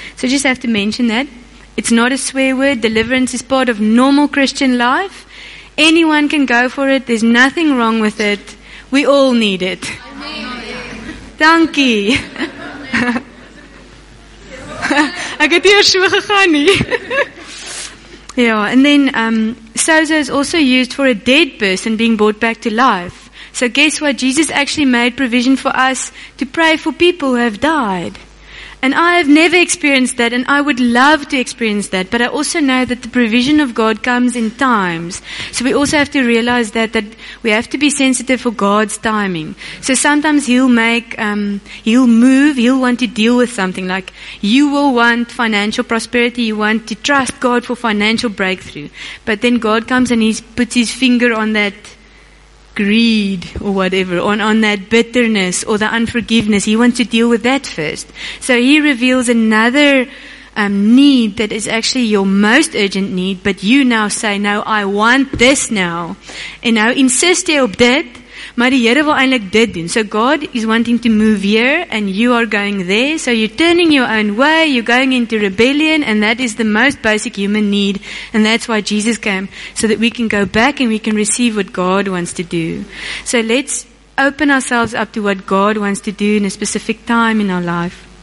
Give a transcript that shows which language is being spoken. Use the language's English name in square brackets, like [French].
[English] So just have to mention that. It's not a swear word. Deliverance is part of normal Christian life. Anyone can go for it. There's nothing wrong with it. We all need it. Amen. Thank you. [Afrikaans] Ek het hier so gegaan nie. [English] Yeah, and then sozo is also used for a dead person being brought back to life. So guess what? Jesus actually made provision for us to pray for people who have died. And I have never experienced that, and I would love to experience that, but I also know that the provision of God comes in times. So we also have to realize that we have to be sensitive for God's timing. So sometimes he'll want to deal with something, like you will want financial prosperity, you want to trust God for financial breakthrough. But then God comes and he puts his finger on that greed or whatever, on that bitterness or the unforgiveness. He wants to deal with that first. So he reveals another need that is actually your most urgent need, but you now say, no, I want this now. And now insist [Afrikaans] jy op dit, maar die Here wil eintlik dit doen. [English] So God is wanting to move here and you are going there. So you're turning your own way, you're going into rebellion, and that is the most basic human need. And that's why Jesus came, so that we can go back and we can receive what God wants to do. So let's open ourselves up to what God wants to do in a specific time in our life.